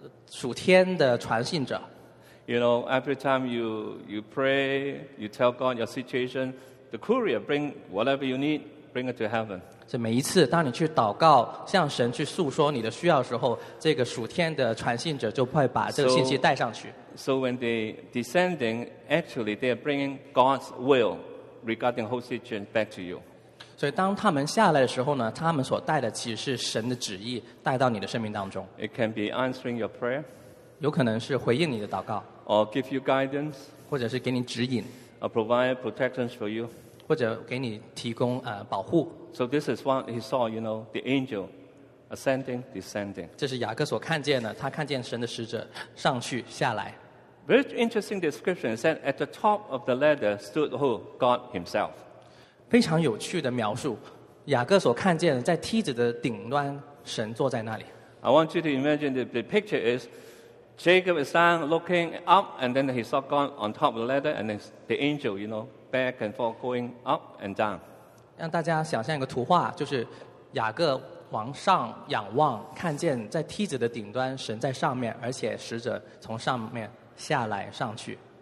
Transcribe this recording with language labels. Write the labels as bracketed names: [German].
[Chinese] 属天的传信者。 [English] You know, every time you pray, you tell God your situation, the courier bring whatever you need, bring it to heaven. [Chinese] 所以每一次当你去祷告，向神去诉说你的需要的时候，这个属天的传信者就会把这个信息带上去。 [English] So when they descending, actually they are bringing God's will regarding whole situation back to you. [Chinese] 所以当他们下来的时候呢，他们所带的其实是神的旨意带到你的生命当中。 [English] It can be answering your prayer. [Chinese] 有可能是回应你的祷告 [English] or give you guidance, [Chinese] 或者是给你指引 [English] or provide protection for you, [Chinese] 或者给你提供保护 [English] So this is what he saw, you know, the angel ascending, descending. [Chinese] 这是雅各所看见的他看见神的使者上去下来 [English] Very interesting description. It said at the top of the ladder stood who? God himself. [Chinese] 非常有趣的描述雅各所看见的在梯子的顶端神坐在那里 [English] I want you to imagine the picture isJacob is down looking up and then he saw God on top of the ladder and then the angel, you know, back and forth going up and down. [Chinese] 让大家想象一个图画就是雅各往上仰望看见在梯子的顶端神在上面而且使者从上面下来上去。